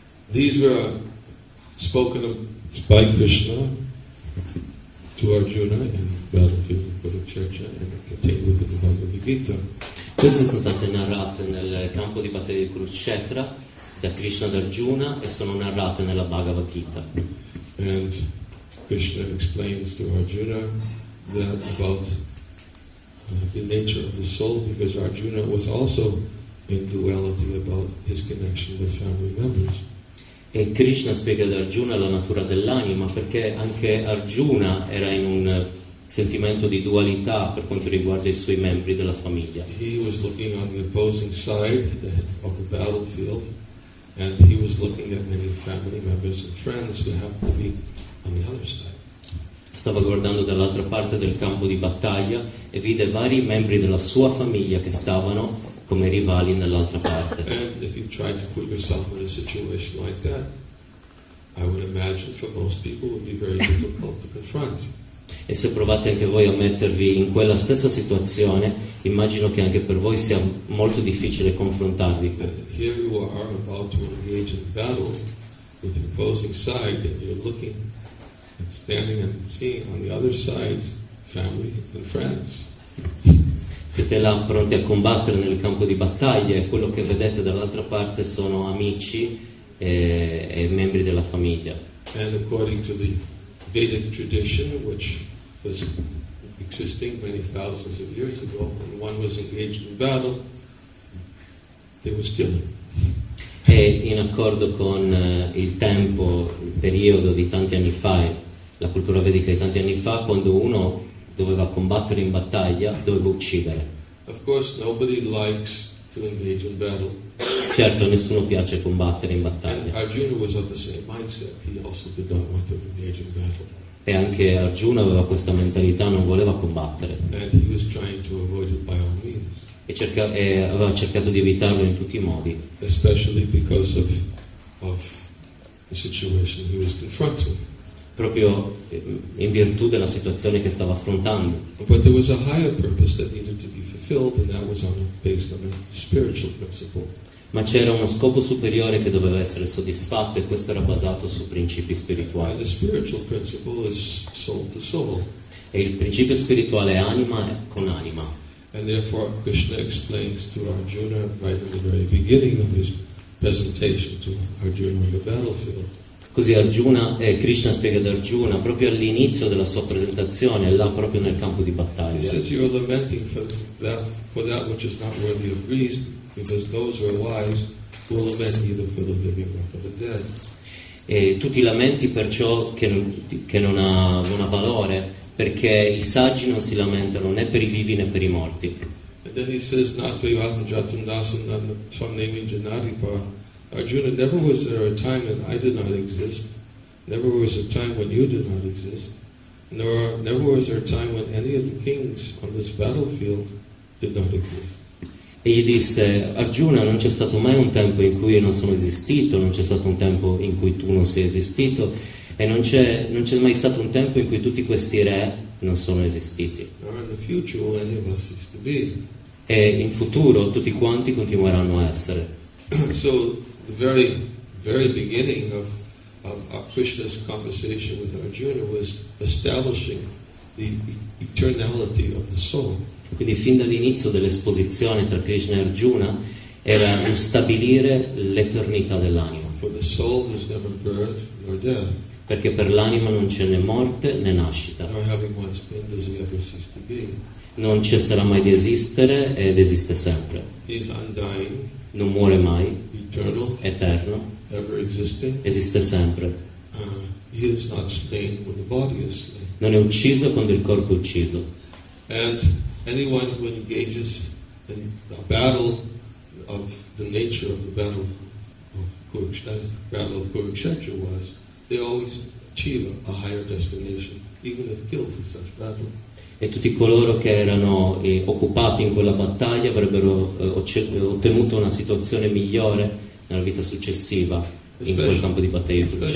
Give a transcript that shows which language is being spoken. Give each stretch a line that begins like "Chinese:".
English: These were spoken of by Krishna to Arjuna in battlefield of Kurukshetra and contained within the Bhagavad Gita.
Italian: Queste sono state narrate nel campo di battaglia di Kurukshetra da Krishna ad Arjuna e sono narrate nella Bhagavad Gita.
English: And Krishna explains to Arjuna that about the nature of the soul, because Arjuna was also in duality about his connection with family members.
Italian: E Krishna spiega ad Arjuna la natura dell'anima, perché anche Arjuna era in un sentimento di dualità per quanto riguarda i suoi membri della famiglia.
English: He was looking on the opposing side of the battlefield, and he was looking at many family members and friends who happened to be on the other side.
Italian: Stava guardando dall'altra parte del campo di battaglia e vide vari membri della sua famiglia che stavano come rivali nell'altra parte.
English: And if you tried to put yourself in a situation like that, I would imagine for most people would be very difficult to confront.
Italian: E se provate anche voi a mettervi in quella stessa situazione, immagino che anche per voi sia molto difficile confrontarvi.
English: Here you are about to engage in battle with the opposing side, and you're looking, standing and seeing on the other side family and friends.
Italian: Siete là pronti a combattere nel campo di battaglia e quello che vedete dall'altra parte sono amici e membri della famiglia.
English: And according to the Vedic tradition, which was existing many thousands of years ago, when one was engaged in battle, there was killing.
Italian: E in accordo con il tempo, il periodo di tanti anni fa, la cultura vedica di tanti anni fa, quando uno doveva combattere in battaglia, doveva uccidere.
English: Of course, nobody likes to engage in battle.
Italian: Certo, nessuno piace combattere in battaglia.
English: And Arjuna was of the same mindset. He also did not want to engage in battle.
Italian: E anche Arjuna aveva questa mentalità, non voleva combattere.
English: And he was trying to avoid it by all means.
Italian: E aveva cercato di evitarlo in tutti i modi.
English: Especially because of the situation he was confronting.
Italian: Proprio in virtù della situazione che stava affrontando.
English: But there was a higher purpose that needed to be fulfilled, and that was based on a spiritual principle.
Italian: Ma c'era uno scopo superiore che doveva essere soddisfatto e questo era basato su principi spirituali.
English: The spiritual principle is soul to soul.
Italian: E il principio spirituale è anima con anima.
English: And therefore Krishna explains to Arjuna right in the very beginning of his presentation to Arjuna on the battlefield.
Italian: Così Arjuna, Krishna spiega ad Arjuna proprio all'inizio della sua presentazione, là proprio nel campo di battaglia.
English: He says you are lamenting for that which is not worthy of reason, because those who are wise will lament either for the living or for the dead.
Italian: E tu ti lamenti per ciò che non ha valore, perché i saggi non si lamentano né per i vivi né per i morti.
English: And then he says natriyatam jatam dasam swamnevi janaripa. Arjuna, never was there a time when I did not exist. Never was a time when you did not exist. Never was there a time when any of the kings on this battlefield did not exist.
Italian: E gli disse, Arjuna, non c'è stato mai un tempo in cui io non sono esistito, non c'è stato un tempo in cui tu non sei esistito, e non c'è mai stato un tempo in cui tutti questi re non sono esistiti.
English: Nor in the future will any of us cease to be.
Italian: E in futuro tutti quanti continueranno a essere.
English: So the very, very beginning of Krishna's conversation with Arjuna was establishing the eternality of the soul.
Italian: Quindi fin dall'inizio dell'esposizione tra Krishna e Arjuna era lo stabilire l'eternità dell'anima.
English: For the soul there's never birth nor death.
Italian: Perché per l'anima non c'è né morte né nascita.
English: Nor having once been does he ever cease to be.
Italian: Non cesserà mai di esistere ed esiste sempre.
English: He's undying.
Italian: Non muore mai,
English: eternal,
Italian: eterno,
English: ever existing,
Italian: esiste sempre.
English: He is not slain when the body is slain.
Italian: Non è ucciso quando il corpo è ucciso.
English: And anyone who engages in a battle of the nature of the battle of Kurukshetra was, they always achieve a higher destination, even if killed in such battle.
Italian: E tutti coloro che erano occupati in quella battaglia avrebbero ottenuto una situazione migliore nella vita successiva in quel campo di battaglia.